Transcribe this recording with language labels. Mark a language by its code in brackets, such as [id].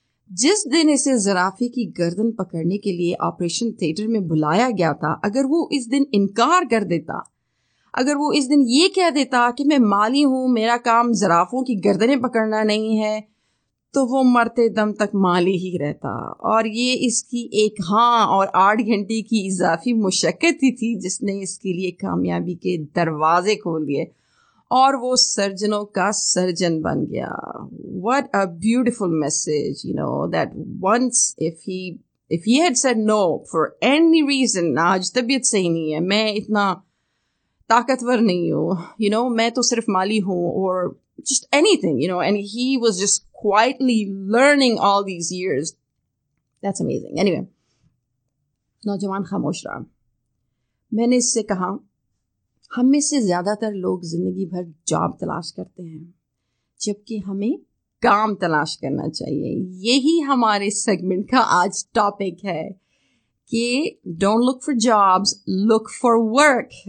[ur] جس دن اسے زرافے کی گردن پکڑنے کے لیے آپریشن تھیٹر میں بلایا گیا تھا, اگر وہ اس دن انکار کر دیتا, اگر وہ اس دن یہ کہہ دیتا کہ میں مالی ہوں, میرا کام زرافوں کی گردنیں پکڑنا نہیں ہے, تو وہ مرتے دم تک مالی ہی رہتا. اور یہ اس کی ایک ہاں اور 8 گھنٹے کی اضافی مشقت ہی تھی جس نے اس کے لیے کامیابی کے دروازے کھول دیے اور وہ سرجنوں کا سرجن بن گیا. [en] What a beautiful message, you know, that once if he had said no for any reason, [ur] آج طبیعت صحیح نہیں ہے, میں اتنا طاقتور نہیں ہوں, [en] you know, [ur] میں تو صرف مالی ہوں, اور [en] just anything, you know, and he was just quietly learning all these years. That's amazing. [ur] Anyway, نوجوان خاموش رہا. میں نے اس سے کہا, ہم میں سے زیادہ تر لوگ زندگی بھر جاب تلاش کرتے ہیں جبکہ ہمیں کام تلاش کرنا چاہیے. یہی ہمارے سیگمنٹ کا آج ٹاپک ہے کہ [en] Don't look for jobs, look for work.